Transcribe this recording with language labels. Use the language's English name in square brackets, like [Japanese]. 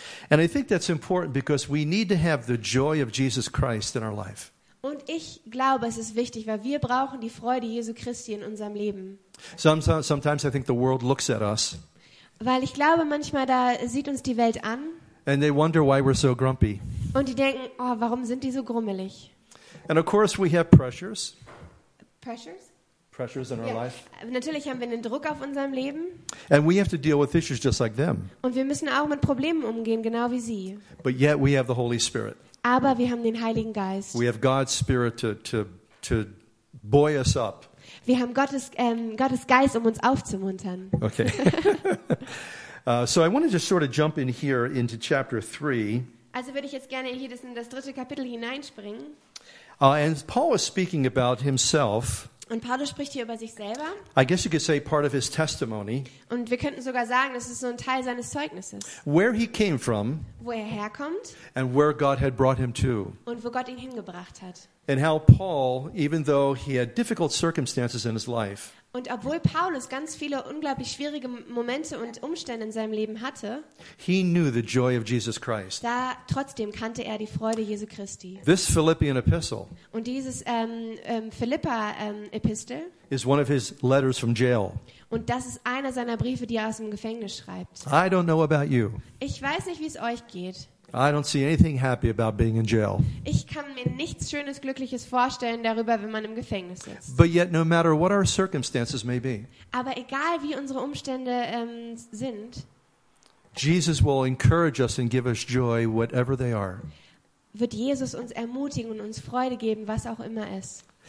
[English] And I think that's important because we need to have the joy of Jesus Christ in our life. [German] Und ich glaube, es ist wichtig, weil wir brauchen die Freude Jesu Christi in unserem Leben. [English] Sometimes I think the world looks at us. [German] Weil ich glaube, manchmal da sieht uns die Welt an. [English] And they wonder why we're so grumpy. [German] Und die denken, oh, warum sind die so grummelig? [English] And of course we have pressures. Pressures? Pressures in our life. [German] Natürlich haben wir einen Druck auf unserem Leben. [English] And we have to deal with issues just like them. [German] Und wir müssen auch mit Problemen umgehen, genau wie sie. [English] But yet we have the Holy Spirit. [German] Aber wir haben den Heiligen Geist. [English] We have God's Spirit to buoy us up. [German] Wir haben Gottes Geist, um uns aufzumuntern. [English] Okay. So I want to just sort of jump in here into chapter 3. [German] Also würde ich jetzt gerne hier in das dritte Kapitel hineinspringen. [English] And Paul is speaking about himself. [German] Und Paulus spricht hier über sich selber. [English] I guess you could say part of his testimony. [German] Und wir könnten sogar sagen, das ist so ein Teil seines Zeugnisses. [English] Where he came from. [German] Wo er herkommt. [English] And where God had brought him to. [German] Und wo Gott ihn hingebracht hat. [English] And how Paul, even though he had difficult circumstances in his life. [German] Und obwohl Paulus ganz viele unglaublich schwierige Momente und Umstände in seinem Leben hatte, [English] he knew the joy of Jesus Christ. [German] Da trotzdem kannte er die Freude Jesu Christi. [English] This Philippian epistle. [German] Und dieses Philippa Epistel [English] is one of his letters from jail. [German] Und das ist einer seiner Briefe, die er aus dem Gefängnis schreibt. [English] I don't know about you. [German] Ich weiß nicht, wie es euch geht. [English] I don't see anything happy about being in jail. [German] Ich kann mir nichts Schönes, Glückliches vorstellen darüber, wenn man im Gefängnis ist. [English] But yet, no matter what our circumstances may be. [German] Aber egal wie unsere Umstände sind. [English] Jesus will encourage us and give us joy, whatever they are. [German] Wird Jesus uns ermutigen und uns Freude geben, was auch immer es.